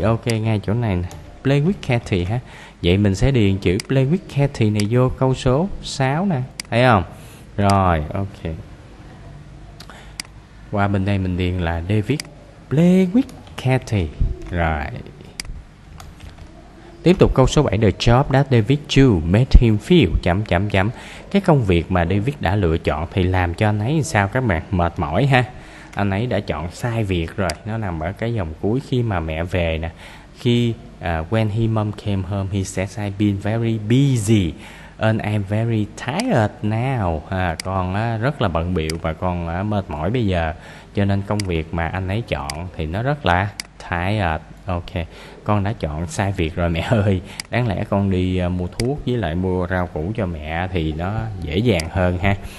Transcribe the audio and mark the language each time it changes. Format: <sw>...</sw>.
<vi>Ok, ngay chỗ này nè,</vi> <en>play with Cathy</en> <vi>ha. Vậy mình sẽ điền chữ play with Cathy này vô câu số 6 nè, thấy không? Rồi, ok. Qua bên đây mình điền là</vi> <en>David play with Cathy.</en> <vi>Rồi. Tiếp tục câu số 7.</vi> <en>The job that David chose made him feel</en> <vi>chấm chấm chấm. Cái công việc mà David đã lựa chọn thì làm cho anh ấy sao các bạn? Mệt mỏi ha. Anh ấy đã chọn sai việc rồi. Nó nằm ở cái dòng cuối khi mà mẹ về nè. Khi</vi> <en>when he mom came home, he says I've been very busy and I'm very tired now.</en> <vi>Con rất là bận bịu và con mệt mỏi bây giờ. Cho nên công việc mà anh ấy chọn thì nó rất là tired. Ok, con đã chọn sai việc rồi mẹ ơi. Đáng lẽ con đi mua thuốc với lại mua rau củ cho mẹ thì nó dễ dàng hơn ha.</vi>